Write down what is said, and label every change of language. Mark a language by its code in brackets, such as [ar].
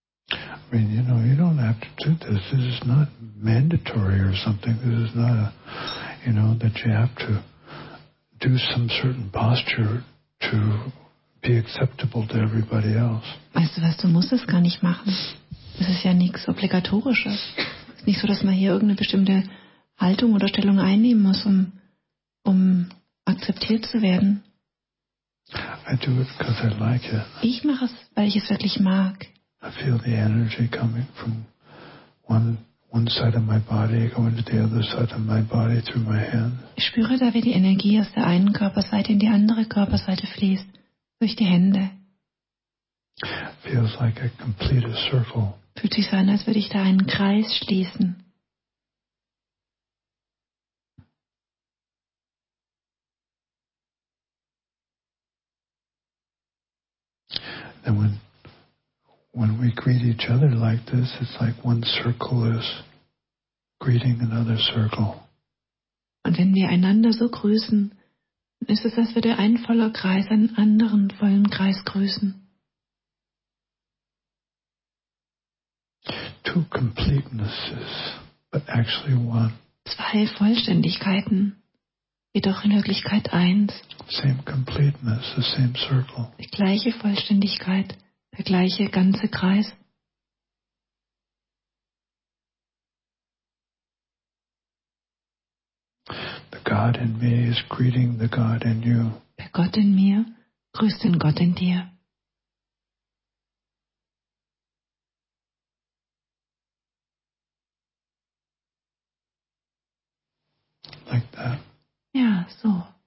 [en] I mean, you know, you don't have to do this. This is not mandatory or something. This is not a... You know, that you have to do some certain posture to be acceptable to everybody else. [de] Weißt du was, du musst es gar nicht machen. Das ist ja nichts Obligatorisches. Es ist nicht so, dass man hier irgendeine bestimmte Haltung oder Stellung einnehmen muss, um akzeptiert zu werden. [en] I do it because I like it. [de] Ich mache es, weil ich es wirklich mag. [en] I feel the energy coming from one side of my body going to the other side of my body through my hands. [de] Ich spüre da, wie die Energie aus der einen Körperseite in die andere Körperseite fließt, durch die Hände. [en] Feels like a complete circle. [de] Fühlt sich so an, als würde ich da einen Kreis schließen. [en] And when we greet each other like this, it's like one circle is greeting another circle. [de] Und wenn wir einander so grüßen, ist es, als würde ein voller Kreis einen anderen vollen Kreis grüßen. [en] Two completenesses, but actually one. [de] Zwei Vollständigkeiten, jedoch in Wirklichkeit eins. [en] Same completeness, the same circle. [de] Die gleiche Vollständigkeit, der gleiche ganze Kreis. [en] The God in me is greeting the God in you. [de] Der Gott in mir grüßt den Gott in dir. [en] Like that. [de] Ja, so.